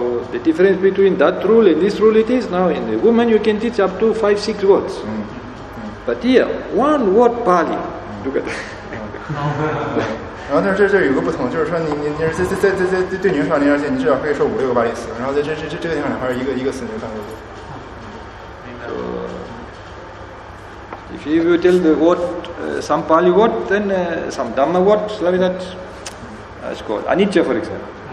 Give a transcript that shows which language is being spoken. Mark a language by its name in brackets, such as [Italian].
[English] the difference between that rule and this rule it is now in the woman you can teach up to 5-6 words. But here, one word Pali. Look at that. [Chinese] 然后但是这有个不同，就是说你对女人说，而且你至少可以说5-6个巴利词。然后在这个地方的话，一个词你就翻过去。So, [English] if you tell the word some Pali word, then some Dhamma word, like that, it's called Anicca, for example.